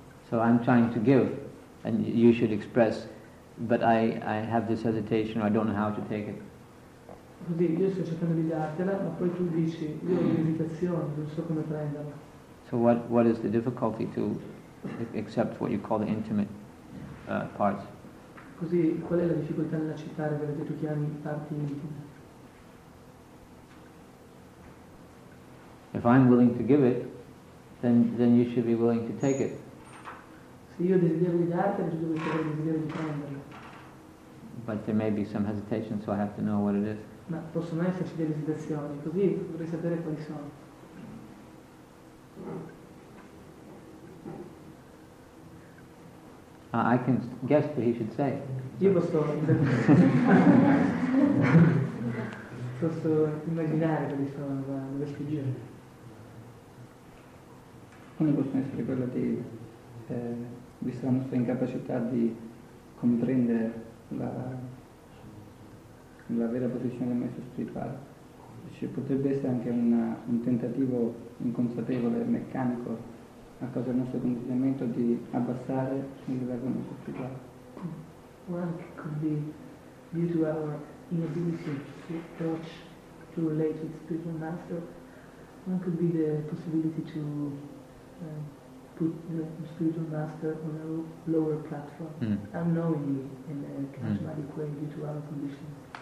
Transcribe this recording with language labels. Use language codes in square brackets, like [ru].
[en] So I'm trying to give, and you should express, but I have this hesitation, or I don't know how to take it. [it] Così, io sto cercando di dartela, ma poi tu dici, io ho un'esitazione, non so come prenderla. [en] So what is the difficulty to accept what you call the intimate parts? [it] Così, qual è la difficoltà nell'accettare quello che tu chiami parti intime? [en] If I'm willing to give it, then you should be willing to take it. [it] Se io desidero di dartela, tu dovresti avere il desiderio di prenderla. [en] But there may be some hesitation, so I have to know what it is. [it] Ma possono esserci delle esitazioni, così vorrei sapere quali sono. [en] I can guess what he should say. [it] Io posso posso immaginare quali sono le sfuggire. Alcune possono essere quella di vista la nostra incapacità di comprendere la vera posizione del maestro spirituale. Ci potrebbe essere anche un tentativo inconsapevole, meccanico, a causa del nostro condizionamento di abbassare il livello del maestro spirituale. [en] One could be due to our inability to approach to relate with spiritual master. One could be the possibility to put the spiritual master on a lower platform. Unknowingly in a charismatic way due to our conditions.